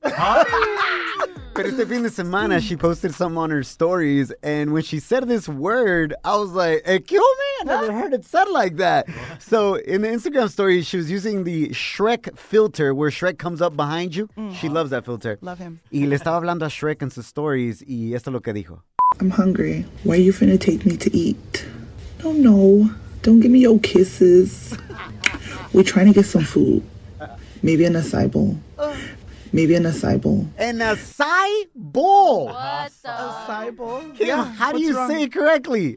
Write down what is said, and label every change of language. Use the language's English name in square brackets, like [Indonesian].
[English] Pero este fin de semana, she posted something on her stories, and when she said this word, I was like, hey, kill me. I never heard it said like that. So in the Instagram story, she was using the Shrek filter, where Shrek comes up behind you. Mm-hmm. She loves that filter. Love him. [Spanish] Y le estaba hablando a Shrek en sus stories, y esto es lo que dijo. [English] I'm hungry. Why are you finna take me to eat? No, no. Don't give me your kisses. We're trying to get some food. Maybe an acai bowl. Maybe an acai bowl. An acai bowl. What the? Acai bowl? Yeah. How What's do you wrong? Say it correctly?